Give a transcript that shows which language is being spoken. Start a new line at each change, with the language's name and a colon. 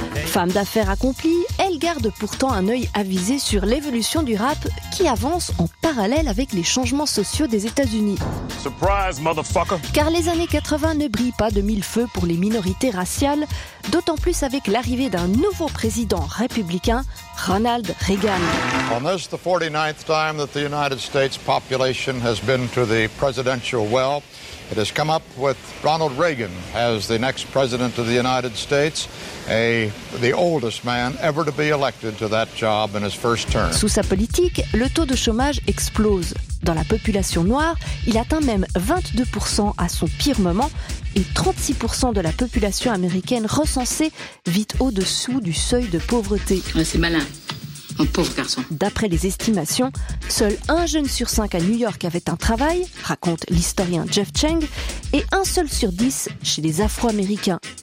French: Femme d'affaires accomplie, elle garde pourtant un œil avisé sur l'évolution du rap qui avance en parallèle avec les changements sociaux des États-Unis.
English: Surprise, motherfucker.
French: Car les années 80 ne brillent pas de mille feux pour les minorités raciales, d'autant plus avec l'arrivée d'un nouveau président républicain, Ronald Reagan.
English: On this, the 49th time that the United States population has been to the presidential well, it has come up with Ronald Reagan as the next president of the United States, the oldest man ever to be elected to that job in his first term.
French: Sous sa politique, le taux de chômage explose. Dans la population noire, il atteint même 22% à son pire moment et 36% de la population américaine recensée vit au-dessous du seuil de pauvreté. Ouais, c'est malin, mon pauvre garçon. D'après les estimations, seul un jeune sur cinq à New York avait un travail, raconte l'historien Jeff Chang, et un seul sur dix chez les Afro-Américains.